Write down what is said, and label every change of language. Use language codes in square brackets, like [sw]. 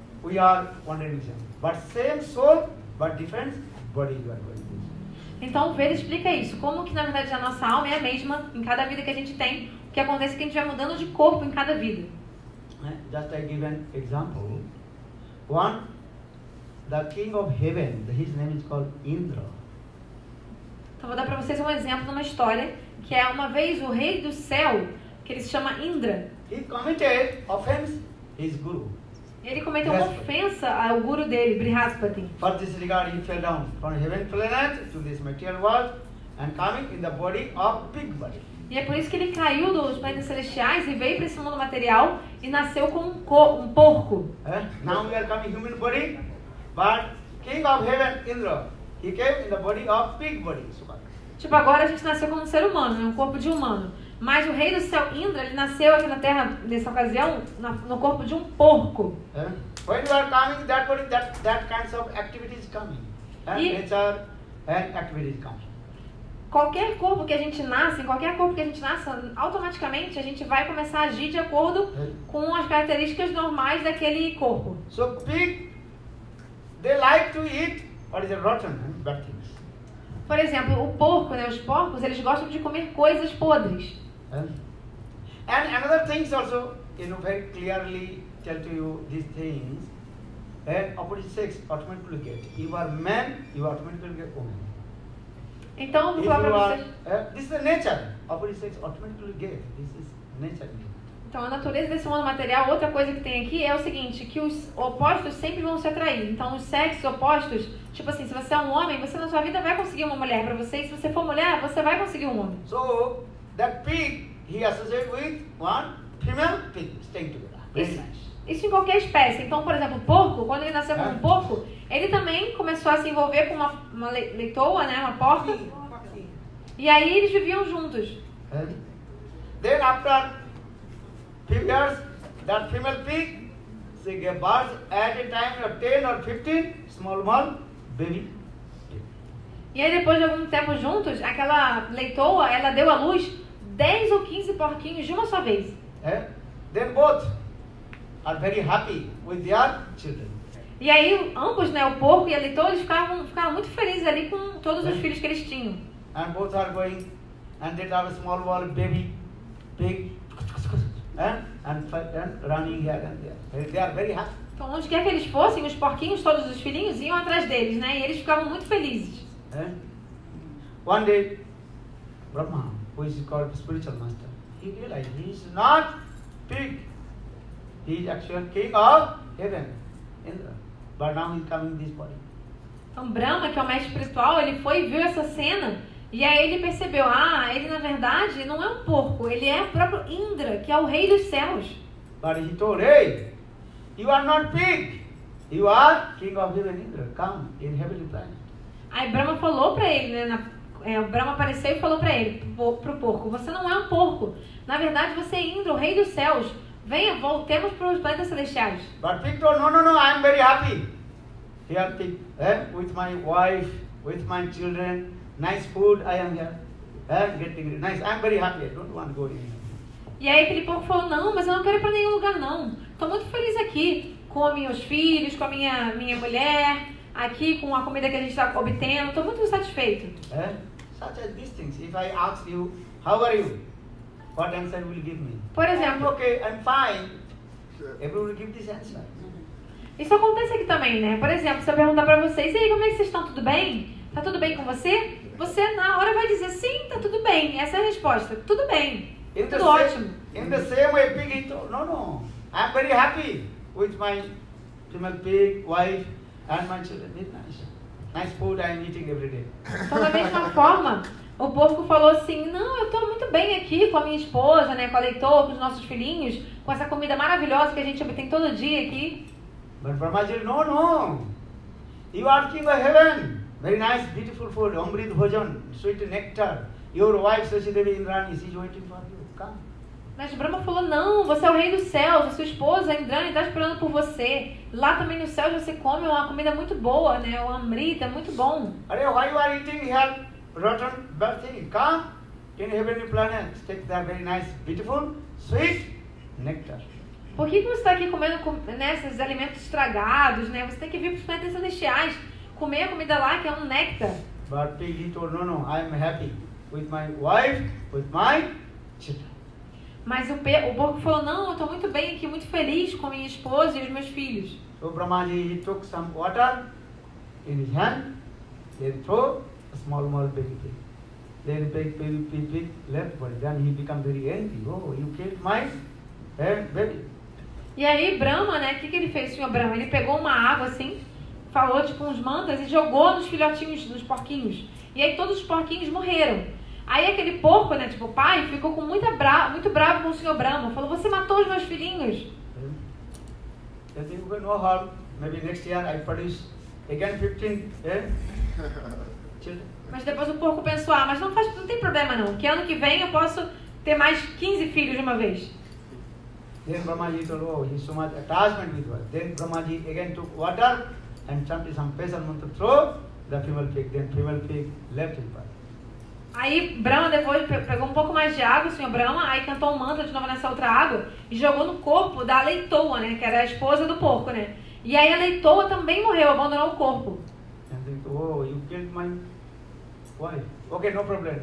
[en] We are one religion, but same soul, but different body. You are going to. [pt] Então o Veda explica isso. Como que na verdade a nossa alma é a mesma em cada vida que a gente tem. O que acontece é que a gente vai mudando de corpo em cada vida. [en] Just I give an example. One, the king of heaven, his name is called Indra. [pt] Então vou dar para vocês um exemplo de uma história, que é uma vez o rei do céu, que ele se chama Indra. [en] He committed offense his guru. [pt] Ele cometeu uma ofensa ao guru dele, Brihaspati. [en] For this regard, he fell down from heaven planet to this material world and coming in the body of big body. [pt] E é por isso que ele caiu dos planetas celestiais e veio para esse mundo material e nasceu com um porco. [en] Now we are coming human body, but king of heaven Indra, he came in the body of pig body. [pt] Tipo, agora a gente nasceu como um ser humano, um corpo de humano. Mas o rei do céu Indra, ele nasceu aqui na Terra nessa ocasião no corpo de um porco. [en] When you are coming, that body, that kinds of activities coming, nature and activities coming. [pt] Qualquer corpo que a gente nasce, em qualquer corpo que a gente nasce, automaticamente a gente vai começar a agir de acordo com as características normais daquele corpo. [en] So pig, they like to eat what is rotten, bad things. [pt] Por exemplo, o porco, né, os porcos, eles gostam de comer coisas podres. [en] And another things also, you know, very clearly tell to you these things. Opposite sex automatically get. You are man, you automatically get woman. [pt] Então, então, a natureza desse mundo material, outra coisa que tem aqui é o seguinte, que os opostos sempre vão se atrair. Então, os sexos opostos, tipo assim, se você é um homem, você na sua vida vai conseguir uma mulher para você, e se você for mulher, você vai conseguir um homem. [en] So, that pig, he associates with one female pig, staying together. [pt] Isso em qualquer espécie. Então, por exemplo, o porco, quando ele nasceu com um porco, ele também começou a se envolver com uma leitoa, né, uma porca. Sim. E aí eles viviam juntos. [en] Then after a few years, that female pig, she gave birth at a time of 10 or 15 small one baby. [pt] E aí depois de algum tempo juntos, aquela leitoa, ela deu à luz 10 ou 15 porquinhos de uma só vez. [en] Then both are very happy with their children. [pt] E aí ambos, né, o porco e a leitoa, eles ficavam muito felizes ali com todos os filhos que eles tinham. [en] And both are going, and they have a small one baby pig, and running here and there. They are very happy. [pt] Então, onde quer que eles fossem, os porquinhos, todos os filhinhos, iam atrás deles, né, e eles ficavam muito felizes. [en] One day, Brahma, who is called spiritual master, he realized he is not pig. He is actual king of heaven, Indra. But now he is coming in this body. [pt] Então Brahma, que é o mestre espiritual, ele foi e viu essa cena e aí ele percebeu, ele na verdade não é um porco, ele é o próprio Indra, que é o rei dos céus. [en] But he told, hey, you are not pig, you are king of heaven, Indra, come in heavenly planet. [pt] Aí Brahma falou para ele, né? O Brahma apareceu e falou para ele, pro porco, você não é um porco, na verdade você é Indra, o rei dos céus, venha, voltemos para os planetas celestiais. [en] But pig told, no, I'm very happy. Here, pig, with my wife, with my children, nice food, I am here, getting nice, I'm very happy, I don't want to go anywhere. [pt] E aí aquele porco falou, não, mas eu não quero ir para nenhum lugar não, estou muito feliz aqui, com meus filhos, com a minha mulher, aqui com a comida que a gente está obtendo, estou muito satisfeito. [en] Such as these things, if I ask you, how are you, what answer will you give me? [pt] Por exemplo, [en] okay, I'm fine, everyone will give this answer. [pt] Isso acontece aqui também, né? Por exemplo, se eu perguntar para vocês, e aí, como é que vocês estão? Tudo bem? Tá tudo bem com você? Você, na hora, vai dizer, sim, tá tudo bem. Essa é a resposta. Tudo bem. [en] In [pt] tudo [en] same, [pt] ótimo. [en] In the same way, pig, no. I'm very happy with my female pig, wife, and my children. It's nice. Nice food I'm eating every day. [pt] Então, da mesma forma, o porco falou assim, não, eu tô muito bem aqui com a minha esposa, né? Com a Leitor, com os nossos filhinhos, com essa comida maravilhosa que a gente obtém todo dia aqui. [en] But Brahma said, no, you are king of heaven, very nice, beautiful food, amrit bhojan, sweet nectar, your wife Sashi Devi Indrani is waiting for you, come. [pt] Mas Brahma falou, não, você é o rei dos céus, a sua esposa Indrani está esperando por você, lá também nos céus você come uma comida muito boa, né? O amrit é muito bom. [en] Are you, why you are eating here, rotten, bad thing, come, in heavenly planet, take that very nice, beautiful, sweet nectar. [pt] Por que você está aqui comendo esses alimentos estragados, né? Você tem que vir para os planetas celestiais, comer a comida lá, que é um néctar. [en] But pig told, no, I'm happy with my wife, with my children. [pt] Mas o porco falou, não, eu estou muito bem aqui, muito feliz com minha esposa e os meus filhos. [en] So Brahmaji, he took some water in his hand, then throw a small baby pig. Then pig left, but then he become very angry. Oh, you killed my baby. [pt] E aí, Brahma, né? O que ele fez, senhor Brahma? Ele pegou uma água, assim, falou tipo uns mantras e jogou nos filhotinhos, nos porquinhos. E aí todos os porquinhos morreram. Aí aquele porco, né? Tipo, o pai ficou com muito bravo com o senhor Brahma. Falou, você matou os meus filhinhos. Eu tenho que ir no hall. [en] Maybe next year I produce again 15 children. [pt] Mas depois o porco pensou, mas não tem problema não. Que ano que vem eu posso ter mais 15 filhos de uma vez. [en] Then Brahmaji told, oh, he so much attachment with her. Then Brahmaji again took water and chanted some special mantra, throw the female pig. Then female pig left his body. [pt] Aí Brahma depois pegou um pouco mais de água, o senhor Brahma, aí cantou um mantra de novo nessa outra água e jogou no corpo da Leitoa, né, que era a esposa do porco, né? E aí a Leitoa também morreu, abandonou o corpo. [en] And then, oh, you killed my wife. Okay, no problem.